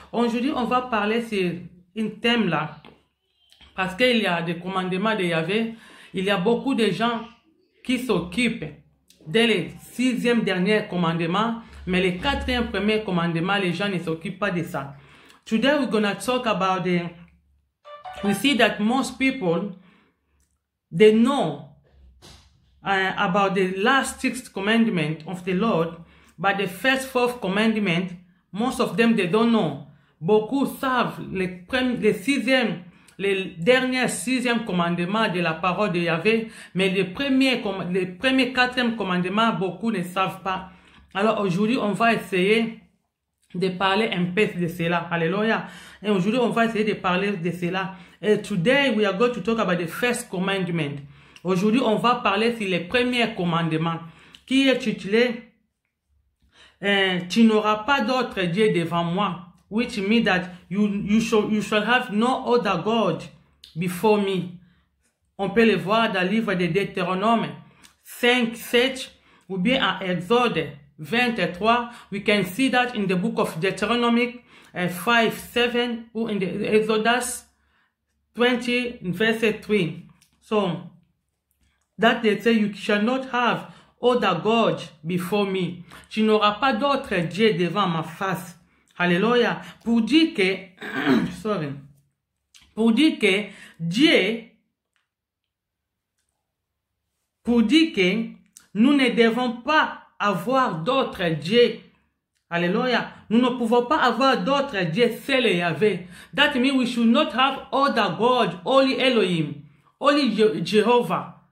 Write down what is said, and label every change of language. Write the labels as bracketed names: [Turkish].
[French] Aujourd'hui, on va parler sur un thème là. Parce qu'il y a des commandements de Yahvé. Il y a beaucoup de gens qui s'occupent dès le sixième dernier commandement. Mais le quatrième premier commandement, les gens ne s'occupent pas de ça. [English] Today, we're going to talk about the... We see that most people, they know about the last sixth commandment of the Lord. But the first fourth commandment... Most of them, they don't know. [French] Beaucoup savent le dernier sixième commandement de la parole de Yahvé, mais les premiers quatrième commandement, beaucoup ne savent pas. Alors aujourd'hui, on va essayer de parler un peu de cela. Alléluia. Et aujourd'hui, on va essayer de parler de cela. [English] And today, we are going to talk about the first commandment. [French] Aujourd'hui, on va parler sur le premier commandement qui est titulé tu n'auras pas d'autre Dieu devant moi, [English] which means that you shall have no other God before me. [French] On peut le voir dans le livre de Deutéronome 5, 7, ou bien en Exode 23, [English] we can see that in the book of Deuteronomy 5, 7, or in the Exodus 20, verset 3. So, that they say you shall not have other God before me. [French] Tu n'auras pas d'autre Dieu devant ma face. Alléluia. Pour dire que, sorry. Pour dire que Dieu, pour dire que nous ne devons pas avoir d'autre Dieu. Alléluia. Nous ne pouvons pas avoir d'autre Dieu, c'est le Yahvé. [English] That means we should not have other God, only Elohim, only Jehovah.